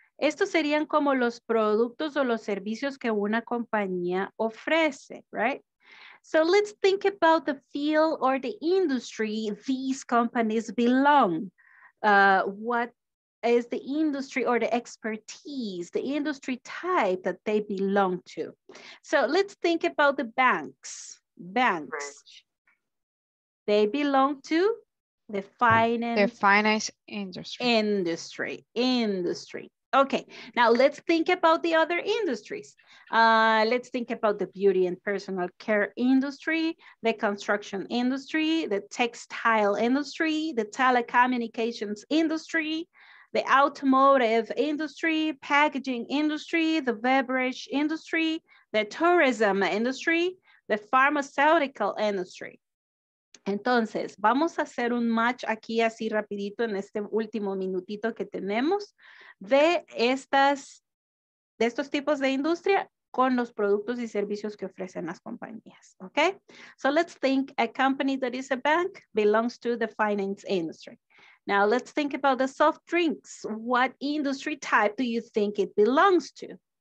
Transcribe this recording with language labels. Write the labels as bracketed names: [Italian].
[Spanish] Estos serían como los productos o los servicios que una compañía ofrece, right? [English] So let's think about the field or the industry these companies belong. What is the industry or the expertise, the industry type that they belong to. So let's think about the banks. Banks. They belong to the finance. The finance industry. Industry. Industry. Okay, now let's think about the other industries. Let's think about the beauty and personal care industry, the construction industry, the textile industry, the telecommunications industry, the automotive industry, packaging industry, the beverage industry, the tourism industry, the pharmaceutical industry. [Spanish] Entonces, vamos a hacer un match aquí así rapidito en este último minutito que tenemos de estos tipos de industria con los productos y servicios que ofrecen las compañías, okay? [English] So let's think a company that is a bank belongs to the finance industry. Now let's think about the soft drinks. What industry type do you think it belongs to?